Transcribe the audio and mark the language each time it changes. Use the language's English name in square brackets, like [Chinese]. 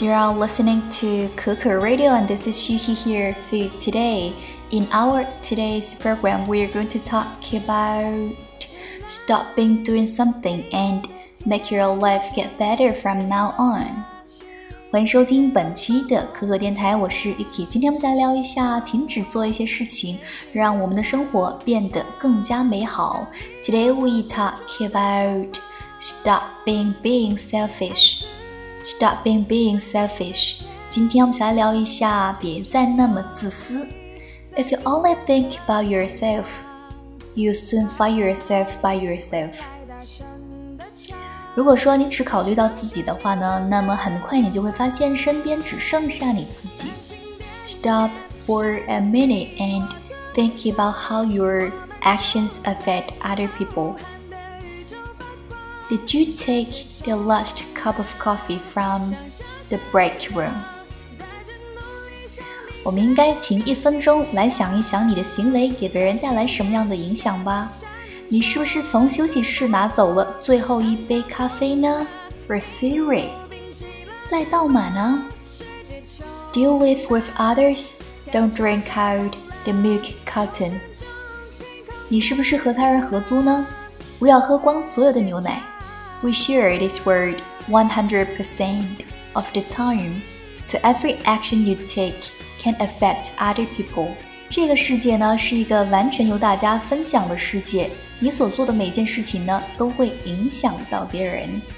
[English] You are listening to Kuku Radio, and this is Yuhi here for today. In our today's program, we are going to talk about stopping doing something and make your life get better from now on. [Chinese] 欢迎收听本期的可可电台，我是 Yuki。今天我们再来聊一下停止做一些事情，让我们的生活变得更加美好。 [English] Today we talk about stopping being selfish. [Chinese] 今天我们来聊一下别再那么自私。 [English] If you only think about yourself, you soon find yourself by yourself. [Chinese] 如果说你只考虑到自己的话呢，那么很快你就会发现身边只剩下你自己。 [English] Stop for a minute and think about how your actions affect other people. Did you take the last cup of coffee from the break room? [Chinese] 我们应该停一分钟来想一想你的行为给别人带来什么样的影响吧。你是不是从休息室拿走了最后一杯咖啡呢 ？ [English] Refill it， [Chinese] 再倒满呢 ？ [English] Do you live with others? Don't drink out the milk carton。 [Chinese] 你是不是和他人合租呢？不要喝光所有的牛奶。 [English] We share this word 100% of the time, so every action you take can affect other people。 [Chinese] 这个世界呢，是一个完全由大家分享的世界。你所做的每件事情呢，都会影响到别人。